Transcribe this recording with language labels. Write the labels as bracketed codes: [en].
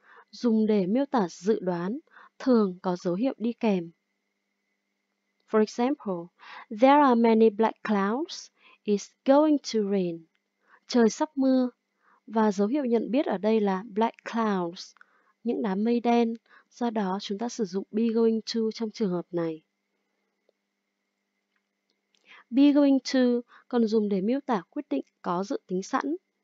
[vi] dùng để miêu tả dự đoán, thường có dấu hiệu đi kèm. [en] For example, there are many black clouds, it's going to rain. [vi] Trời sắp mưa. Và dấu hiệu nhận biết ở đây là black clouds, những đám mây đen, do đó chúng ta sử dụng be going to trong trường hợp này. Be going to còn dùng để miêu tả quyết định có dự tính sẵn.